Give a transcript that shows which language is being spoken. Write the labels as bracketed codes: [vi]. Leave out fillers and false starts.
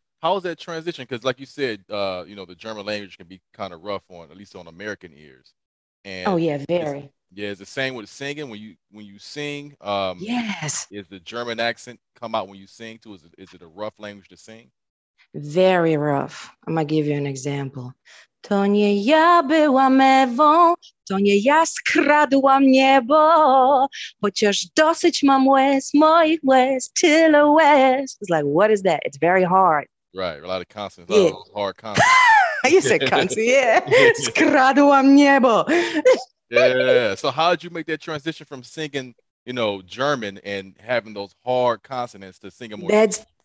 [en] how was that transition? Because like you said, the German language can be kind of rough on at least on American ears. Oh And yeah, very. it's the same with singing. When you sing, Yes. is the German accent come out when you sing too? Is it a rough language to sing? Very rough. I'm gonna give you an example. [pl] Tonie ja była mewą, tonie ja skradłam niebo, chociaż dosyć mam łez, moich łez, tyle łez. [en] It's like, what is that? It's very hard. Right, a lot of consonants, a Yeah. lot of hard consonants. I used to say Yeah. country, yeah. [pl] Skradłam niebo. [en] Yeah. So how did you make that transition from singing, German and having those hard consonants to singing more That's